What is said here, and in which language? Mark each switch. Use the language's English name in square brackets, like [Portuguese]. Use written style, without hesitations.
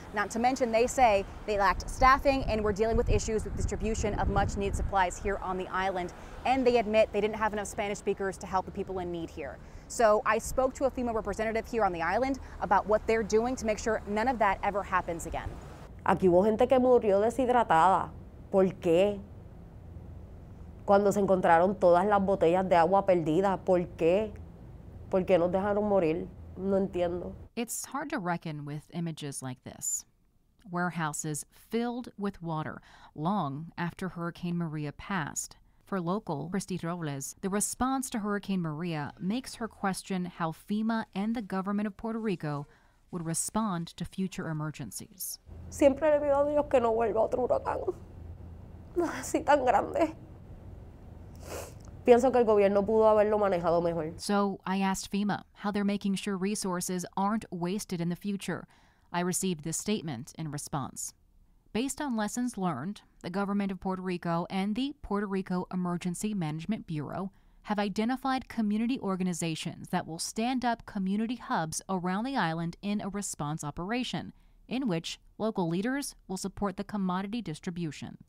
[English] Not to mention, they say they lacked staffing and were dealing with issues with distribution of much-needed supplies here on the island. And they admit they didn't have enough Spanish speakers to help the people in need here. So I spoke to a FEMA representative here on the island about what they're doing to make sure none of that ever happens again. [Spanish] Aquí hubo gente que murió deshidratada. ¿Por qué? Cuando se encontraron todas las botellas de agua perdidas, ¿por qué? ¿Por qué nos dejaron morir? No entiendo. [English] It's hard to reckon with images like this. Warehouses filled with water long after Hurricane Maria passed. For local Christy Robles, the response to Hurricane Maria makes her question how FEMA and the government of Puerto Rico would respond to future emergencies. [Spanish] Siempre le pido a Dios que no vuelva otro huracán así tan grande. Pienso que el gobierno pudo haberlo manejado mejor. [English] So I asked FEMA how they're making sure resources aren't wasted in the future. I received this statement in response. Based on lessons learned, the government of Puerto Rico and the Puerto Rico Emergency Management Bureau have identified community organizations that will stand up community hubs around the island in a response operation, in which local leaders will support the commodity distribution.